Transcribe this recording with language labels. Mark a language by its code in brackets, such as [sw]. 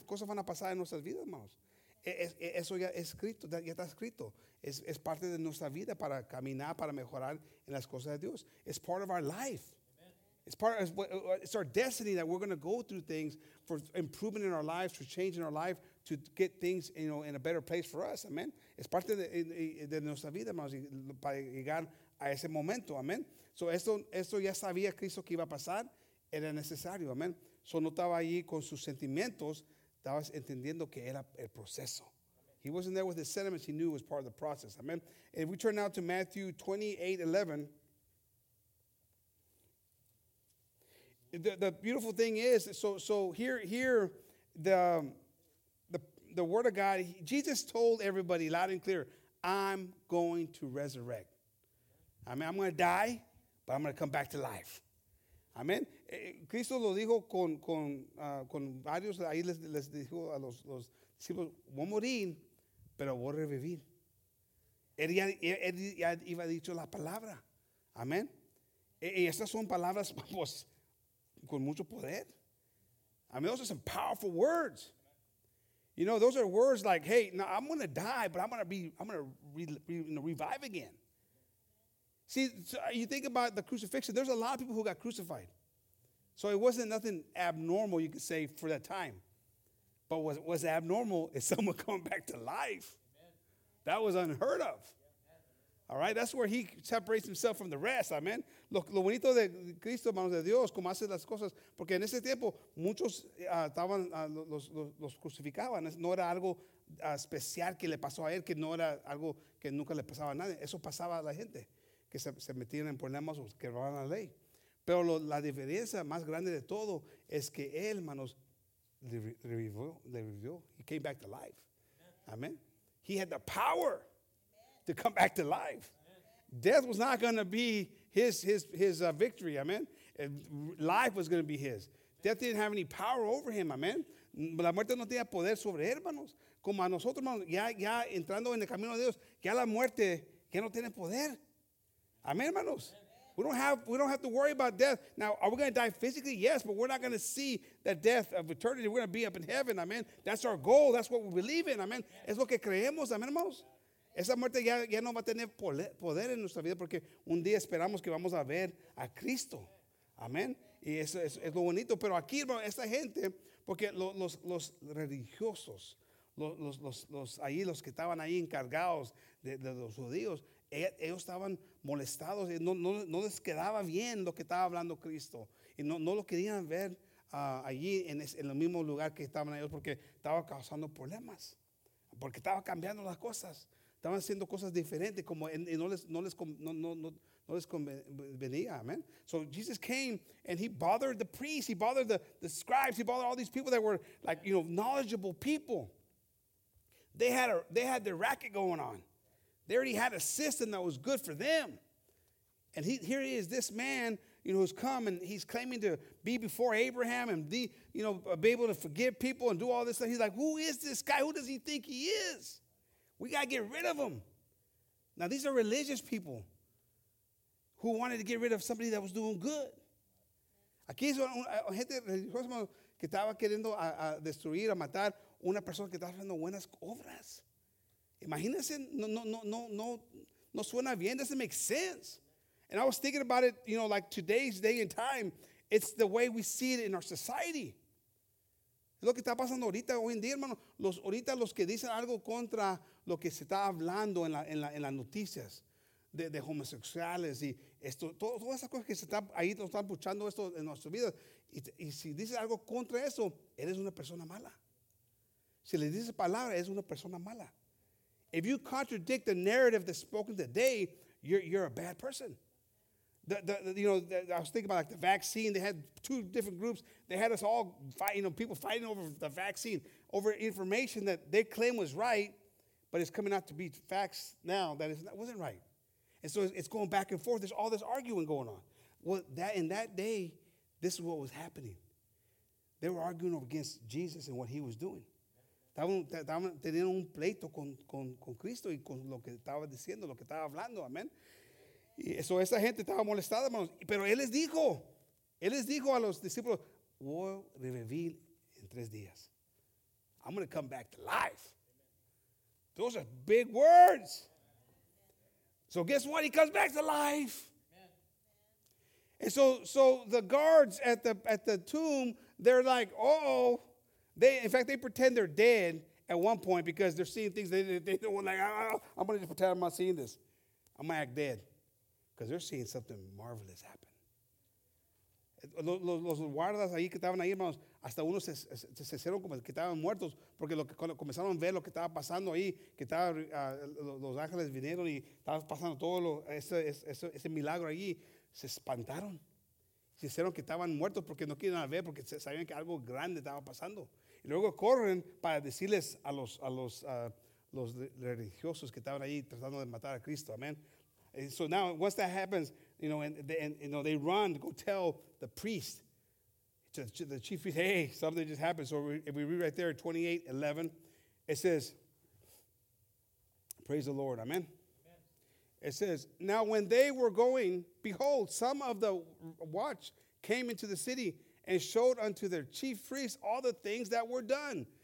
[es] Cosas van a pasar en nuestras vidas, hermanos. Eso ya es escrito, ya está escrito. Es parte de nuestra vida para caminar, para mejorar en las cosas de Dios. [en] It's part of our life. It's our destiny that we're going to go through things for improvement in our lives, for changing our life, to get things, you know, in a better place for us. Amen. [es] Es parte de nuestra vida, hermanos, para llegar a ese momento. Amen. So esto ya sabía Cristo que iba a pasar. Era necesario. Amen. So no estaba allí con sus sentimientos. Estaba entendiendo que era el proceso. [en] He wasn't there with his sentiments. He knew it was part of the process. Amen. And if we turn now to Matthew 28:11. The beautiful thing is, so here the word of God, Jesus told everybody loud and clear, I'm going to resurrect. I mean, I'm going to die, but I'm going to come back to life. Amen. [es] Cristo lo dijo con varios, ahí les dijo a los discípulos, voy a morir, pero voy a revivir. Él ya iba dicho la palabra. Amen. Y estas son palabras, pues, con mucho poder. [en] I mean, those are some powerful words. You know, those are words like, hey, now I'm going to die, but I'm going to revive again. See, so you think about the crucifixion. There's a lot of people who got crucified. So it wasn't nothing abnormal, you could say, for that time. But what was abnormal is someone coming back to life. Amen. That was unheard of. All right, that's where he separates himself from the rest, amen. [es] Lo bonito de Cristo, manos de Dios, como hace las cosas, porque en ese tiempo muchos estaban los crucificaban. No era algo especial que le pasó a él, que no era algo que nunca le pasaba a nadie. Eso pasaba a la gente, que se metían en problemas o que robaban la ley. Pero la diferencia más grande de todo es que él, manos, revivió. [en] He came back to life, amen. He had the power to come back to life. Amen. Death was not going to be his victory, amen. Life was going to be his. Amen. Death didn't have any power over him, amen. [es] La muerte no tenía poder sobre él, hermanos. Como a nosotros, hermanos, ya entrando en el camino de Dios, ya la muerte ya no tiene poder. [en] Amen, hermanos. Amen. We don't have to worry about death. Now, are we going to die physically? Yes, but we're not going to see the death of eternity. We're going to be up in heaven, amen. That's our goal. That's what we believe in, amen. Amen. [es] Es lo que creemos, amen, hermanos. Esa muerte ya no va a tener poder en nuestra vida porque un día esperamos que vamos a ver a Cristo. Amén. Y eso es lo bonito. Pero aquí, hermano, esta gente, porque los religiosos, los que estaban ahí encargados de los judíos, ellos estaban molestados. No les quedaba bien lo que estaba hablando Cristo. Y no lo querían ver allí en el mismo lugar que estaban ellos porque estaba causando problemas. Porque estaba cambiando las cosas. Estaban haciendo cosas diferentes, como no les convenía, amen. [en] So Jesus came and he bothered the priests, he bothered the scribes, he bothered all these people that were like, you know, knowledgeable people. They had their racket going on. They already had a system that was good for them. And here he is, this man, you know, who's come and he's claiming to be before Abraham and be able to forgive people and do all this stuff. He's like, who is this guy? Who does he think he is? We got to get rid of them. Now, these are religious people who wanted to get rid of somebody that was doing good. [es] Aquí es gente religiosa que estaba queriendo destruir, a matar una persona que estaba haciendo buenas obras. Imagínense, no suena bien. [en] Doesn't make sense. And I was thinking about it, you know, like today's day and time. It's the way we see it in our society. [es] Lo que está pasando ahorita, hoy en día, hermano, los que dicen algo contra lo que se está hablando en las noticias de homosexuales y esto, todas esas cosas que se están ahí, nos están puchando esto en nuestras vidas. Y si dices algo contra eso, eres una persona mala. Si le dices palabra, eres una persona mala. [en] If you contradict the narrative that's spoken today, you're a bad person. I was thinking about like the vaccine. They had two different groups. They had us all fighting, people fighting over the vaccine, over information that they claim was right, but it's coming out to be facts now that it wasn't right. And so it's going back and forth. There's all this arguing going on. Well, that in that day, this is what was happening. They were arguing against Jesus and what he was doing. [es] Estaban teniendo un pleito con Cristo y con lo que estaba diciendo, lo que estaba hablando, amén. Y eso, esa gente estaba molestada, hermanos. Pero él les dijo a los discípulos, voy a revivir en tres días. [en] I'm going to come back to life. Those are big words. So guess what? He comes back to life. And so the guards at the tomb, they're like, uh-oh. In fact, they pretend they're dead at one point because they're seeing things. They don't want, like, I'm going to just pretend I'm not seeing this. I'm going to act dead because they're seeing something marvelous happen. [es] Los guardas ahí que estaban ahí, hermanos, hasta unos se hicieron como que estaban muertos porque lo que comenzaron a ver lo que estaba pasando ahí, que estaba, los ángeles vinieron y estaban pasando todo ese milagro allí. Se espantaron. Se hicieron que estaban muertos porque no querían ver, porque sabían que algo grande estaba pasando. Y luego corren para decirles a los religiosos que estaban ahí tratando de matar a Cristo. Amén. [en] So now, once that happens, you know, and they run to go tell the priest, to the chief priest, hey, something just happened. So if we read right there, 28:11, it says, praise the Lord. Amen. It says, now when they were going, behold, some of the watch came into the city and showed unto their chief priests all the things that were done.